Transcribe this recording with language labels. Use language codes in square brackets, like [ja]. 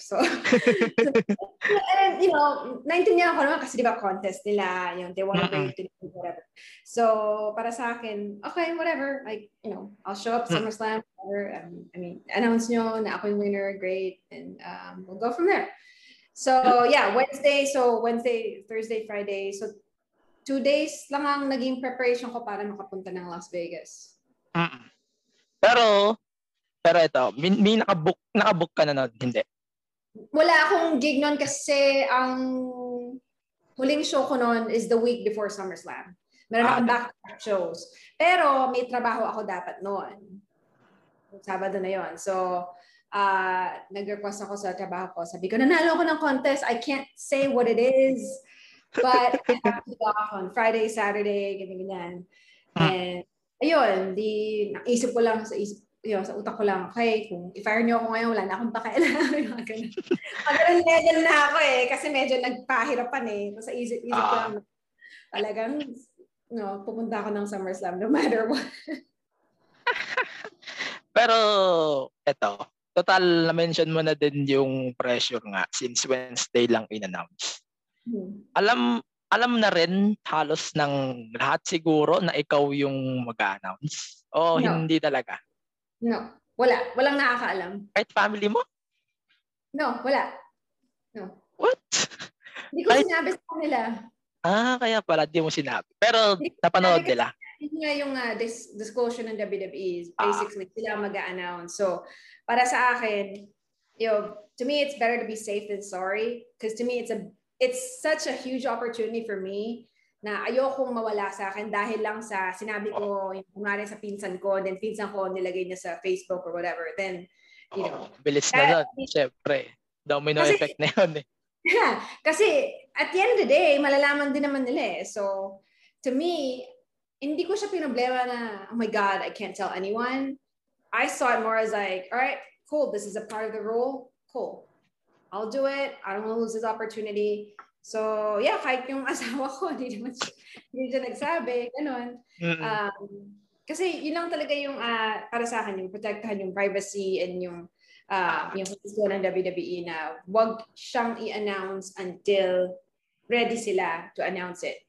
[en] So, and then, you know, [tl] naintindihan ko naman kasi diba contest nila, [en] you know, they want to bring it to whatever. So, [tl] para sa akin, [en] okay, whatever. Like, you know, I'll show up SummerSlam or, I mean, [tl] announce nyo na ako yung winner, [en] great, and we'll go from there. So, yeah, Wednesday, Thursday, Friday. [tl] So, 2 days lang ang naging preparation ko para makapunta ng Las Vegas. Pero ito, may nakabook ka na nun, hindi? Wala akong gig nun kasi ang huling show ko nun is [en] the week before SummerSlam. [tl] Meron akong back-to-back shows. Pero may trabaho ako dapat nun. Sabado na yon. So, nag-request ako sa trabaho ko. Sabi ko, nanalo ko ng contest. [en] I can't say what it is. But I have to be off on Friday, Saturday, ganyan-ganyan. [tl] Ayun, di naisip ko lang sa utak ko lang, okay, kung i-fire niyo ako ngayon, wala na akong pakialam. Magaling level na ako eh, kasi medyo nagpahirapan eh. Sa isip ko lang, talagang no, pupunta ako ng SummerSlam [en] no matter what. [tl] Pero, eto, total, na-mention mo na din yung pressure nga since Wednesday lang in-announce. Alam na rin halos ng lahat siguro na ikaw yung mag-announce? Hindi talaga? No. Wala. Walang nakakaalam. Kahit family mo? No. Wala. No. [en] What? [tl] Hindi ko sinabi sa kanila. Kaya pala. Di mo sinabi. Pero napanood nila. Hindi nga yung disclosure ng WWE. [en] Basically, [tl] sila mag-announce. [en] So, [tl] para sa akin, [en] you know, to me, it's better to be safe than sorry. Because to me, it's such a huge opportunity for me [tl] na ayokong mawala sa akin dahil lang sa sinabi ko yung kumari sa pinsan ko, then pinsan ko nilagay niya sa Facebook or whatever. [en] Then, you know. [tl] Bilis na nun, syempre. Domino kasi, effect na yun eh. Kasi [en] at the end of the day, [tl] malalaman din naman nila eh. [en] So, to me, [tl] hindi ko siya pinroblema na, [en] oh my God, I can't tell anyone. I saw it more as like, all right, cool, this is a part of the rule, cool. I'll do it. I don't want to lose this opportunity. [tl] So, yeah, kahit yung asawa ko, hindi siya nagsabi. Ganun. Kasi yun lang talaga yung, para sa akin, yung protectahan yung privacy and yung position ng WWE na wag siyang i-announce until ready sila to announce it.